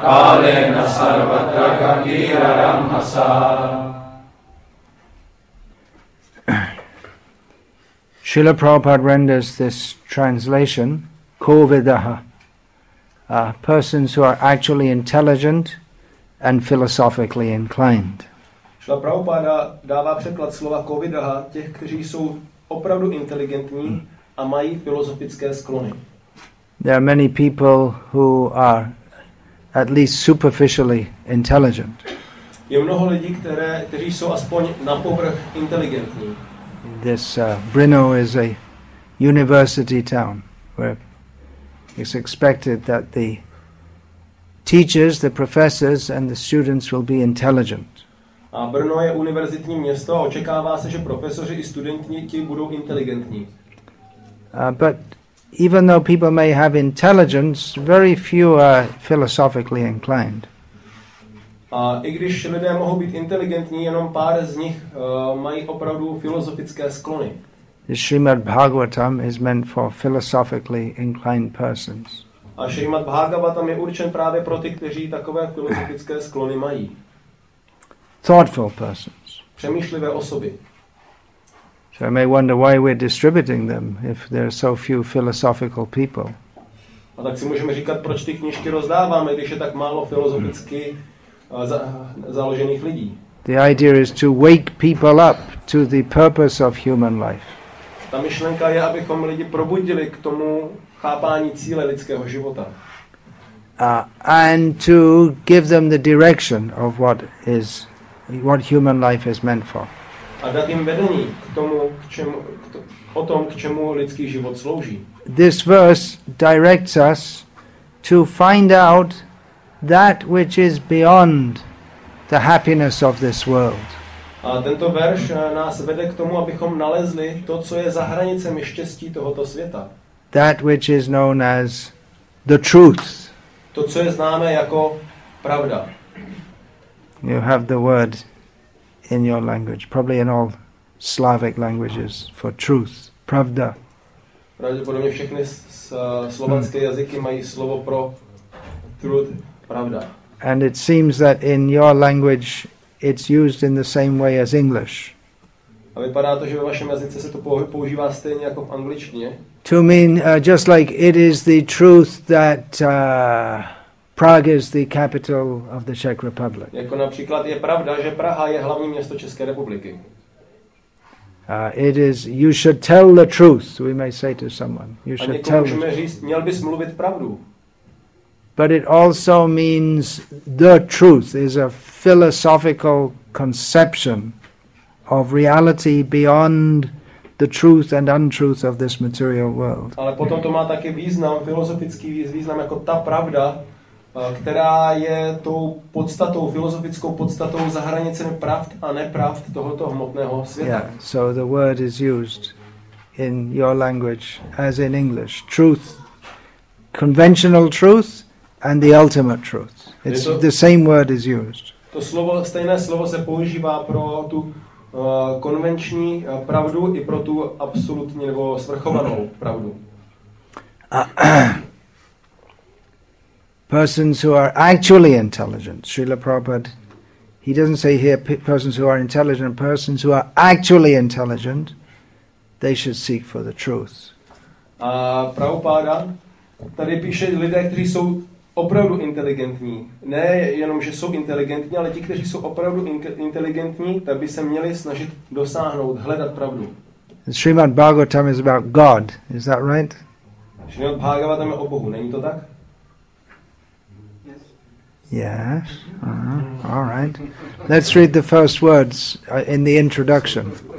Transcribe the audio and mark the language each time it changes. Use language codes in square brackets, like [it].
[sa] Kalena sarvatra gabhira ranghasa. [en] Srila Prabhupada renders this translation, kovidaha. Persons who are actually intelligent and philosophically inclined. [cs] Srila Prabhupada dává překlad slova kovidaha těch, kteří jsou opravdu inteligentní a mají filozofické sklony. [en] There are many people who are at least superficially intelligent. [cs] Je mnoho lidí, kteří jsou aspoň na povrch inteligentní. [en] This Brno is a university town where it's expected that the teachers, the professors and the students will be intelligent. [cs] A Brno je univerzitní město a očekává se, že profesoři i studenti budou inteligentní. [en] But even though people may have intelligence, very few are philosophically inclined. [cs] A i když lidé mohou být inteligentní, jenom pár z nich mají opravdu filozofické sklony. [en] The Srimad Bhagavatam is meant for philosophically inclined persons. [cs] A Srimad Bhagavatam je určen právě pro ty, kteří takové filozofické sklony mají. [en] Thoughtful persons. [cs] Přemýšlivé osoby. [en] So I may wonder why we're distributing them if there are so few philosophical people. [cs] A tak si můžeme říkat, proč ty knížky rozdáváme, když je tak málo filozoficky založených lidí. [en] The idea is to wake people up to the purpose of human life. [cs] Ta myšlenka je, abychom lidi probudili k tomu chápání cíle lidského života. [en] And to give them the direction of what human life is meant for. [cs] A dát jim vedení k tomu, k čemu lidský život slouží. [en] This verse directs us to find out that which is beyond the happiness of this world. [cs] A tento verš nás vede k tomu, abychom nalezli to, co je za hranicemi štěstí tohoto světa. [en] That which is known as the truth. [cs] To, co je známe jako pravda. [en] You have the word in your language, probably in all Slavic languages, for truth, pravda. [cs] Pravděpodobně všechny slovanské jazyky mají slovo pro truth, pravda. [en] And it seems that in your language it's used in the same way as English. [cs] A vypadá to, že ve vašem jazyce se to používá stejně jako v angličtině. [en] To mean just like it is the truth that Prague is the capital of the Czech Republic. [cs] Jako například je pravda, že Praha je hlavní město České republiky. [en] It is, you should tell the truth, we may say to someone. You should tell. [cs] A někomu můžeme říct, měl bys mluvit pravdu. [en] But it also means the truth is a philosophical conception of reality beyond the truth and untruth of this material world. [cs] Ale potom to má taky význam, filozofický význam, jako ta pravda která je tou podstatou, filozofickou podstatou za hranicemi pravd a nepravd tohoto hmotného světa. [en] Yeah, so the word is used in your language as in English. Truth, conventional truth and the ultimate truth. It's the same word is used. [cs] To slovo, stejné slovo se používá pro tu konvenční pravdu i pro tu absolutní nebo svrchovanou pravdu. [en] Persons who are actually intelligent. Srila Prabhupada, he doesn't say here persons who are intelligent, persons who are actually intelligent, they should seek for the truth. [cs] A Prabhupada tady píše lidé, kteří jsou opravdu inteligentní. Ne jenom, že jsou inteligentní, ale ti, kteří jsou opravdu inteligentní, tak by se měli snažit dosáhnout, hledat pravdu. [en] Srimad Bhagavatam is about God, is that right? [cs] Srimad Bhagavatam je o Bohu, není to tak? [en] Yes, all right. Let's read the first words in the introduction.